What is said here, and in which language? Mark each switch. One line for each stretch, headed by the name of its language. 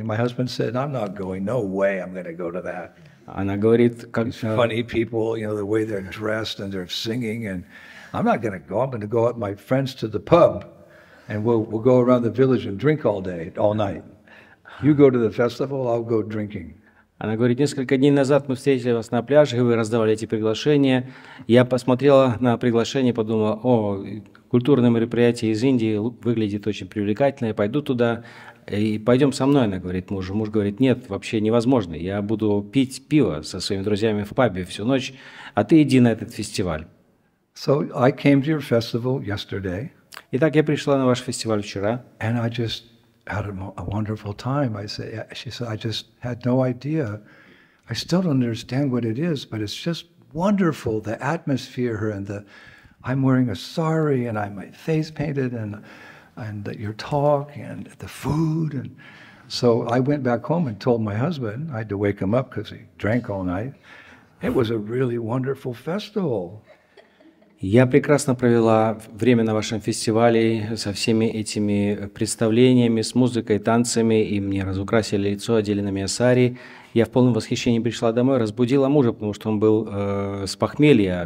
English: And my husband said, I'm not going. No way I'm going to go to that.
Russian: Она говорит, как
English: funny people, you know, the way they're dressed and they're singing, and I'm not going to go. I'm going to go with my friends to the pub, and we'll go around the village and drink all day, all night. You go to the festival, I'll go drinking.
Russian: Она говорит, несколько дней назад мы встретили вас на пляже, и вы раздавали эти приглашения. Я посмотрела на приглашение, подумала, о, культурное мероприятие из Индии выглядит очень привлекательно, я пойду туда. И пойдем со мной, она говорит мужу. Муж говорит, нет, вообще невозможно. Я буду пить пиво со своими друзьями в пабе всю ночь, а ты иди на этот фестиваль.
English: So I came to your festival yesterday.
Russian: Итак, я пришла на ваш фестиваль вчера.
English: And I just had a wonderful time. I said, she said, I just had no idea. I still don't understand what it is, but it's just wonderful, the atmosphere and the... I'm wearing a sari and I'm my face painted and your talk and the food. And so I went back home and told my husband, I had to wake him up because he drank all night. It was a really wonderful festival.
Russian: Я прекрасно провела время на вашем фестивале со всеми этими представлениями, с музыкой, танцами, и мне разукрасили лицо, одели на меня сари. Я в полном восхищении пришла домой, разбудила мужа, потому что он был с похмелья.